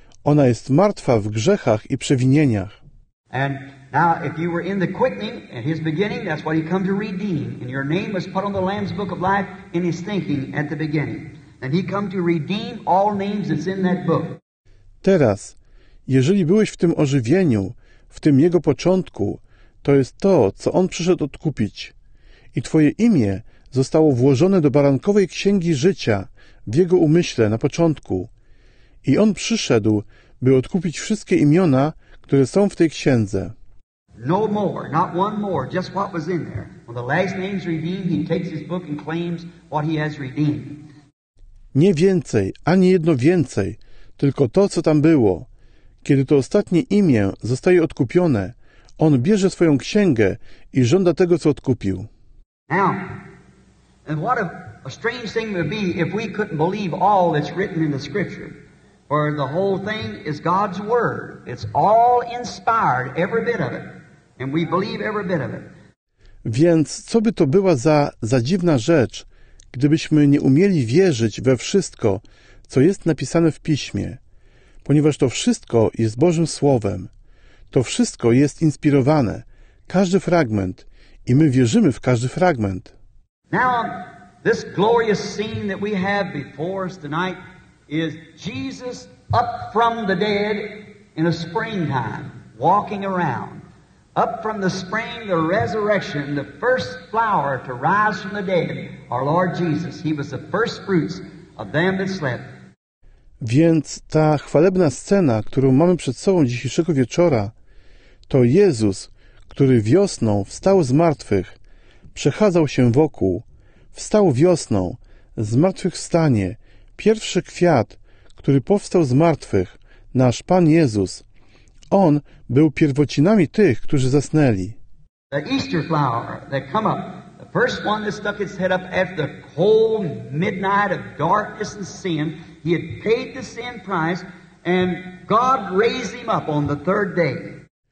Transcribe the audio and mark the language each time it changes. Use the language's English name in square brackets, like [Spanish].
[Polish] Ona jest martwa w grzechach i przewinieniach. [English] And now if you were in the quickening at his beginning, that's what he come to redeem. And your name was put on the Lamb's book of life in his thinking at the beginning. And he come to redeem all names that's in that book. [Polish] Teraz, jeżeli byłeś w tym ożywieniu, w tym jego początku, to jest to, co on przyszedł odkupić. I twoje imię zostało włożone do barankowej księgi życia w jego umyśle na początku. I on przyszedł, by odkupić wszystkie imiona, które są w tej księdze. [English] No more, not one more, just what was in there. When the last name's redeemed, he takes his book and claims what he has redeemed. [Polish] Nie więcej, ani jedno więcej, tylko to, co tam było. Kiedy to ostatnie imię zostaje odkupione, on bierze swoją księgę i żąda tego, co odkupił. [English] Now, and what a strange thing would be if we couldn't believe all that's written in the scripture. For the whole thing is God's word. It's all inspired, every bit of it. And we believe every bit of it. [Polish] Więc co by to była za dziwna rzecz, gdybyśmy nie umieli wierzyć we wszystko, co jest napisane w Piśmie. Ponieważ to wszystko jest Bożym Słowem. To wszystko jest inspirowane. Każdy fragment. I my wierzymy w każdy fragment. [English] Now, this glorious scene that we have before us tonight is Jesus up from the dead in a springtime, walking around. Up from the spring, the resurrection, the first flower to rise from the dead, our Lord Jesus. He was the first fruits of them that slept. [Polish] Więc ta chwalebna scena, którą mamy przed sobą dzisiejszego wieczora, to Jezus, który wiosną wstał z martwych, przechadzał się wokół, wstał wiosną, zmartwychwstanie, pierwszy kwiat, który powstał z martwych, nasz Pan Jezus. On był pierwocinami tych, którzy zasnęli. [English] The Easter flower that come up, the first one that stuck its head up after the whole midnight of darkness and sin, he had paid the sin price and God raised him up on the third day.